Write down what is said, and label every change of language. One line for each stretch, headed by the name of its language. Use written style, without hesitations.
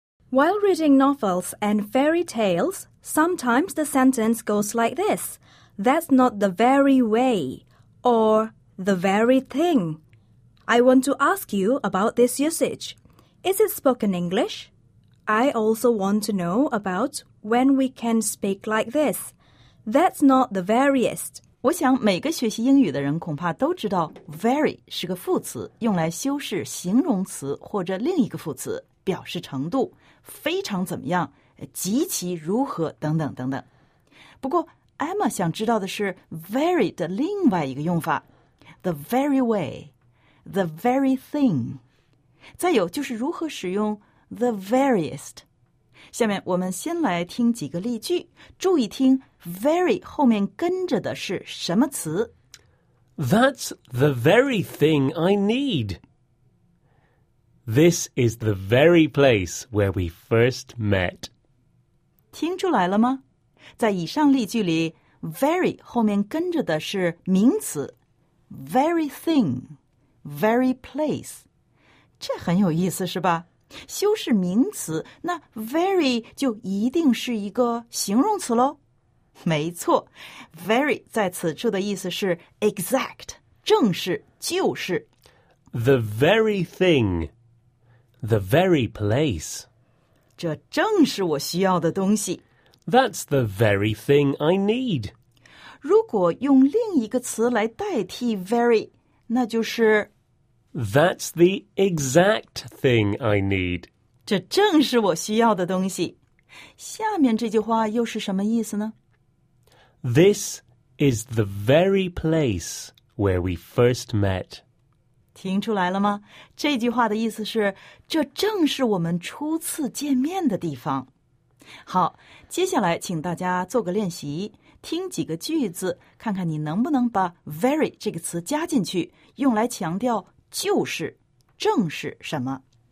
English: While reading novels and fairy tales, sometimes the sentence goes like this, that's not the very way, or the very thing. I want to ask you about this usage. Is it spoken English? I also want to know about when we can speak like this. That's not the veriest.
Chinese: 我想每个学习英语的人恐怕都知道 very 是个副词，用来修饰形容词或者另一个副词，表示程度，非常怎么样，极其如何等等等等。不过 Emma 想知道的是 very 的另外一个用法，
English: the very way. The very thing.
Chinese: 再有就是如何使用 the veriest. 下面我们先来听几个例句，注意听 very 后面跟着的是什么词。
English: That's the very thing I need. This is the very place where we first met.
Chinese: 听出来了吗？在以上例句里 ,very 后面跟着的是名词 ,very thing.
English: Very place.
Chinese: 这很有意思是吧？修饰名词，那 very 就一定是一个形容词咯？没错， very 在此处的意思是 exact, 正是，就是。
English: The very thing, the very place.
Chinese: 这正是我需要的东西。
English: That's the very thing I need.
Chinese: 如果用另一个词来代替 very, 那就是
English: That's the exact thing I need.
Chinese: 这正是我需要的东西。下面这句话又是什么意思呢？
English: This is the very place where we first met.
Chinese: 听出来了吗？这句话的意思是，这正是我们初次见面的地方。好，接下来请大家做个练习。听几个句子，看看你能不能把 very 这个词加进去，用来强调就是，正是什么